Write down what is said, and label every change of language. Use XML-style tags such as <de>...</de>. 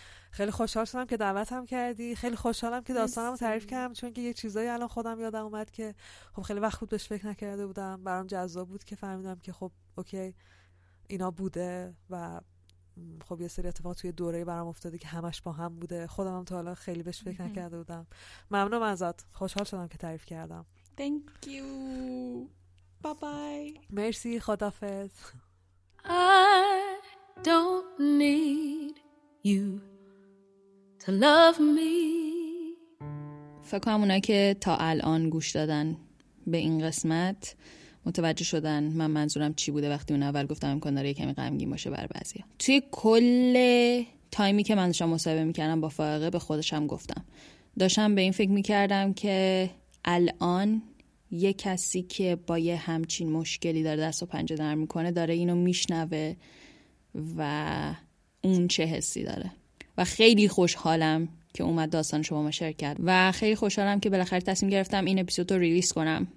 <fa>خیلی خوشحال شدم که دعوتم کردی، خیلی خوشحالم که داستانمو تعریف کردم، چون که یه چیزایی الان خودم یادم اومد که خب خیلی وقت بود بهش فکر نکرده بودم، برام جذاب بود که فهمیدم که خب اوکی اینا بوده و خب یه سری اتفاق توی دوره برام افتاده که همش با هم بوده، خودم هم تا حالا خیلی بهش فکر نکرده بودم. ممنونم ازت، خوشحال شدم که تعریف کردم.</fa> <en>Thank you. Bye bye.</en> <fa>مرسی، خدافظ.</fa> <en>I don't need you to love me.</en> <fa>فکر کنم اونایی که تا الان گوش دادن به این قسمت متوجه شدن من منظورم چی بوده وقتی اون اول گفتم امکان داره یکمی غمگین باشه بر بعضیا. توی کل تایمی که من داشتم مصاحبه میکردم با فائقه به خودشم گفتم، داشتم به این فکر میکردم که الان یه کسی که با یه همچین مشکلی داره دست و پنجه نرم میکنه داره اینو میشنوه و اون چه حسی داره، و خیلی خوشحالم که اومد داستان شما ما شیر کرد و خیلی خوشحالم که بالاخره تصمیم گرفتم این اپیزود رو ریلیس کنم.</fa>